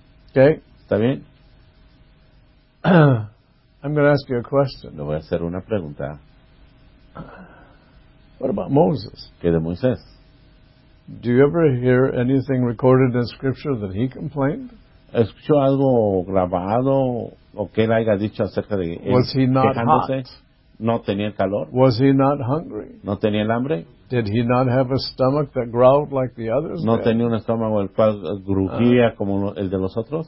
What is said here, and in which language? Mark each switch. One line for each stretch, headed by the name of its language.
English: Okay.
Spanish: ¿Está bien?
English: I'm going to ask you a question.
Spanish: Le voy a hacer una pregunta.
English: What about Moses?
Spanish: ¿Qué de Moisés?
English: Do you ever hear anything recorded in Scripture that he complained?
Spanish: ¿Escuchó algo grabado o que él haya dicho acerca de él?
English: Was he not
Spanish: quejándose?
English: Hot?
Spanish: ¿No tenía calor?
English: Was he not hungry?
Spanish: ¿No tenía el hambre?
English: Did he not have a stomach that growled like the others?
Spanish: No tenía un estómago el cual grugía como el de los otros.